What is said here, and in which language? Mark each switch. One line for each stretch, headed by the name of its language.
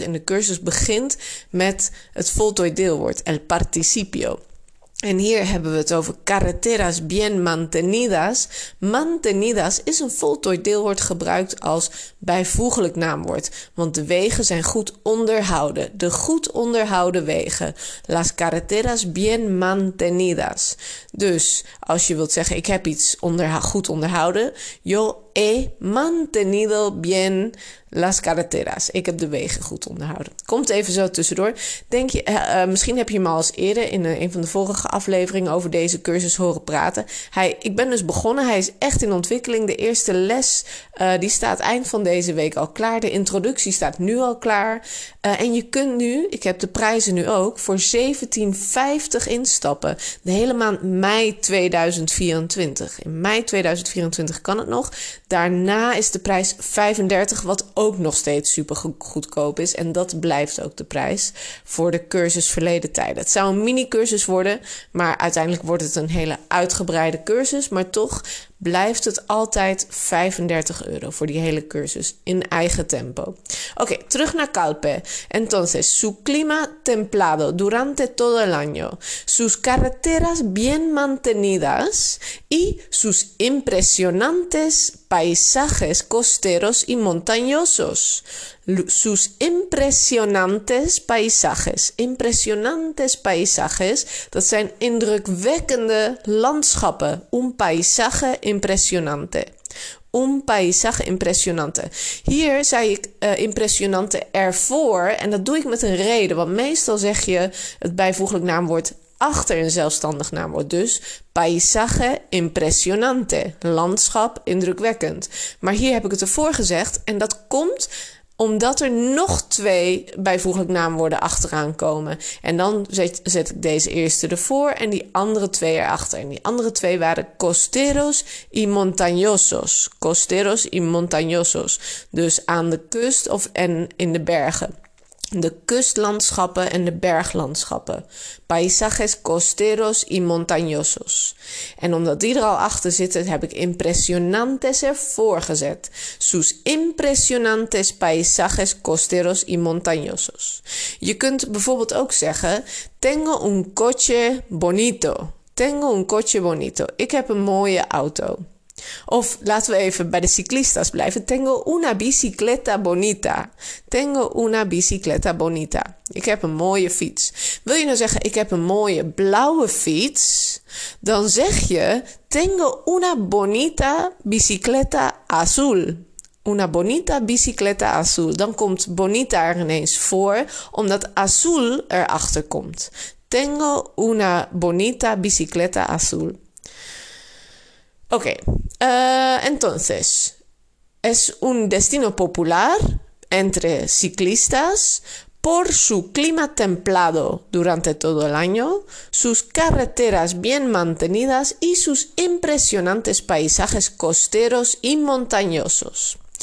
Dutch: En de cursus begint met het voltooid deelwoord, el participio. En hier hebben we het over
Spanish: carreteras bien mantenidas.
Dutch: Mantenidas is een voltooid deelwoord gebruikt als bijvoeglijk naamwoord. Want de wegen zijn goed onderhouden. De goed onderhouden wegen.
Spanish: Las carreteras bien mantenidas.
Dutch: Dus als je wilt zeggen ik heb iets goed onderhouden.
Spanish: Yo he mantenido bien las carreteras.
Dutch: Ik heb de wegen goed onderhouden. Komt even zo tussendoor. Denk je, misschien heb je hem al eens eerder in een van de vorige afleveringen over deze cursus horen praten. Ik ben dus begonnen. Hij is echt in ontwikkeling. De eerste les die staat eind van deze week al klaar. De introductie staat nu al klaar. En je kunt nu, ik heb de prijzen nu ook, voor €17,50 instappen. De hele maand mei 2024. In mei 2024 kan het nog. Daarna is de prijs 35, wat ook nog steeds super goedkoop is. En dat blijft ook de prijs voor de cursus verleden tijden. Het zou een mini-cursus worden, maar uiteindelijk wordt het een hele uitgebreide cursus. Maar toch blijft het altijd 35 euro voor die hele cursus in eigen tempo. Oké, terug naar Calpe.
Spanish: Entonces, su clima templado durante todo el año. Sus carreteras bien mantenidas y sus impresionantes paisajes costeros y montañosos. Sus impresionantes paisajes. Impresionantes paisajes.
Dutch: Dat zijn indrukwekkende landschappen.
Spanish: Un paisaje impresionante. Un paisaje impresionante.
Dutch: Hier zei ik impresionante ervoor. En dat doe ik met een reden. Want meestal zeg je het bijvoeglijk naamwoord achter een zelfstandig naamwoord. Dus
Spanish: paisaje impresionante.
Dutch: Landschap indrukwekkend. Maar hier heb ik het ervoor gezegd. En dat komt omdat er nog twee bijvoeglijk naamwoorden achteraan komen. En dan zet ik deze eerste ervoor en die andere twee erachter. En die andere twee waren
Spanish: costeros y montañosos. Costeros y montañosos.
Dutch: Dus aan de kust of en in de bergen. De kustlandschappen en de berglandschappen.
Spanish: Paisajes costeros y montañosos.
Dutch: En omdat die er al achter zitten, heb ik impresionantes ervoor gezet.
Spanish: Sus impresionantes paisajes costeros y montañosos.
Dutch: Je kunt bijvoorbeeld ook zeggen,
Spanish: tengo un coche bonito. Tengo un coche bonito.
Dutch: Ik heb een mooie auto. Of laten we even bij de ciclistas blijven.
Spanish: Tengo una bicicleta bonita. Tengo una bicicleta bonita.
Dutch: Ik heb een mooie fiets. Wil je nou zeggen, ik heb een mooie blauwe fiets? Dan zeg je,
Spanish: tengo una bonita bicicleta azul. Una bonita bicicleta azul.
Dutch: Dan komt bonita er ineens voor, omdat azul erachter komt.
Spanish: Tengo una bonita bicicleta azul. Oké, entonces, es un destino popular entre ciclistas por su clima templado durante todo el año, sus carreteras bien mantenidas y sus impresionantes paisajes costeros y montañosos.